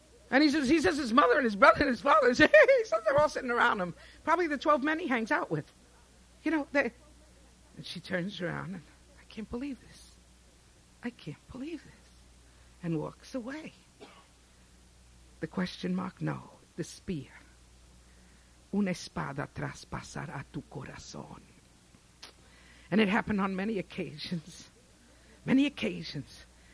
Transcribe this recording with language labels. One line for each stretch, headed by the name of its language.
English: And he says his mother and his brother and his father. He says they're all sitting around him. Probably the 12 men he hangs out with. You know, they. And she turns around and I can't believe this. I can't believe this, and walks away. The question mark, no, the spear.
Spanish: Una espada traspasará tu corazón.
English: And it happened on many occasions, many occasions.